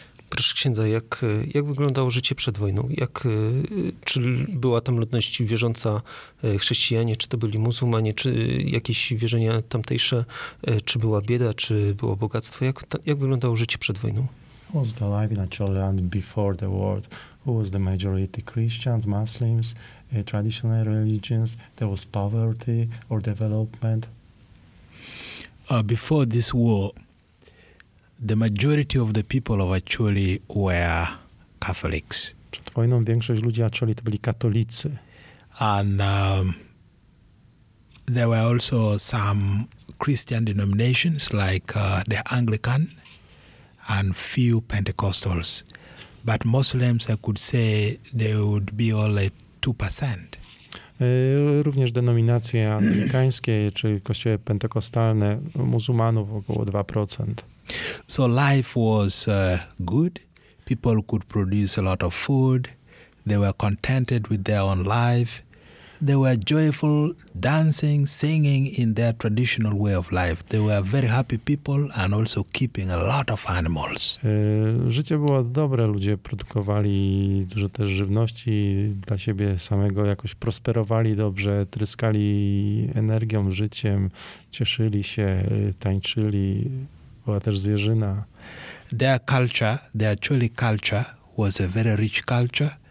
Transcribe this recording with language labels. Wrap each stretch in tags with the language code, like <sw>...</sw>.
<pl>Proszę księdza, jak wyglądało życie przed wojną? Czy była tam ludność wierząca, chrześcijanie, czy to byli muzułmanie, czy jakieś wierzenia tamtejsze, czy była bieda, czy było bogactwo? Jak wyglądało życie przed wojną?</pl> <en>Was the life in Acholi and before the war? Who was the majority? Christians, Muslims, traditional religions? There was poverty or development? Before this war, the majority of the people of Acholi were Catholics.</en> <pl>Przed wojną większość ludzi Acholi to byli katolicy.</pl> <en>And there were also some Christian denominations like the Anglican and few Pentecostals. But Muslims, I could say, they would be only 2%.</en> <pl>Również denominacje anglikańskie czy kościoły pentekostalne muzułmanów około 2%.</pl> <en>So life was good. People could produce a lot of food. They were contented with their own life. They were joyful, dancing, singing in their traditional way of life. They were very happy people and also keeping a lot of animals.</en> <pl>Życie było dobre, ludzie produkowali dużo też żywności dla siebie samego, jakoś prosperowali dobrze, tryskali energią, życiem, cieszyli się, tańczyli, była też zwierzyna.</pl> <en>Their culture, their Acholi culture, was a very rich culture.</en>